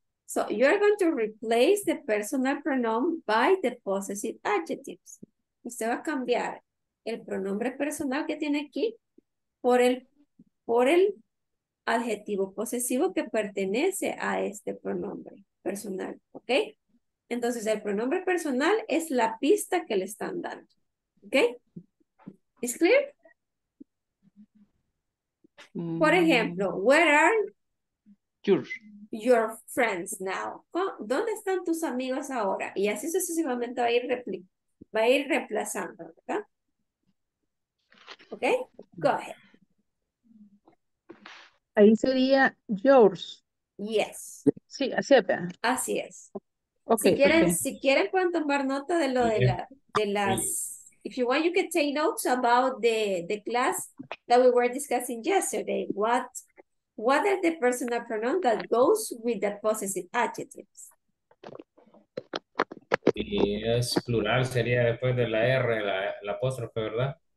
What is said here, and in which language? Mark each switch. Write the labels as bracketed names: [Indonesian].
[English] So you are going to replace the personal pronoun by the possessive adjectives. [Spanish] Usted va a cambiar el pronombre personal que tiene aquí por el adjetivo posesivo que pertenece a este pronombre personal. Ok, entonces el pronombre personal es la pista que le están dando. [English] Ok, is clear? [Spanish] Por ejemplo, [English] where are your friends now? [Spanish] ¿Dónde están tus amigos ahora? Y así sucesivamente va a ir reemplazando, ¿verdad? [English] Okay, go ahead. [Spanish] Ahí sería yours. [English] Yes. [Spanish] Sí, así es. Así es. Okay. Si quieren pueden tomar nota de lo de la de las. [English] If you want, you can take notes about the class that we were discussing yesterday. What are the personal pronouns that goes with the possessive adjectives? [Spanish] Yes, plural sería después de la R, la apóstrofe, ¿verdad?